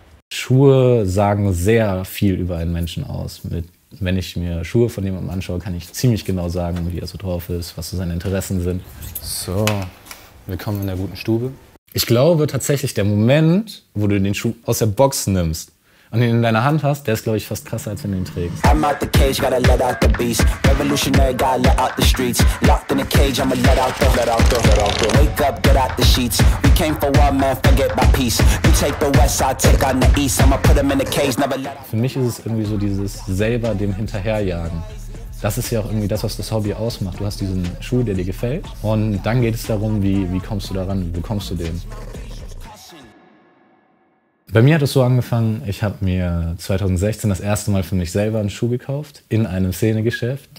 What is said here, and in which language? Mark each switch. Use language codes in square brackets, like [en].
[de] Schuhe sagen sehr viel über einen Menschen aus. Wenn ich mir Schuhe von jemandem anschaue, kann ich ziemlich genau sagen, wie er so drauf ist, was so seine Interessen sind. So, willkommen in der guten Stube. Ich glaube tatsächlich, der Moment, wo du den Schuh aus der Box nimmst, und den in deiner Hand hast, der ist, glaube ich, fast krasser, als wenn du ihn trägst. [en] I'm out the cage, gotta let out the beast. Revolutionary guy, let out the streets. Locked in a cage, I'ma let out the, let out the, let out the. Wake up, get out the sheets. We came for one man, forget my peace. You take the west, I take on the east. I'ma put him in a cage, never let out. [de] Für mich ist es irgendwie so dieses selber dem Hinterherjagen. Das ist ja auch irgendwie das, was das Hobby ausmacht. Du hast diesen Schuh, der dir gefällt. Und dann geht es darum, wie kommst du daran, wo kommst du den? Bei mir hat es so angefangen, ich habe mir 2016 das erste Mal für mich selber einen Schuh gekauft in einem Szenegeschäft.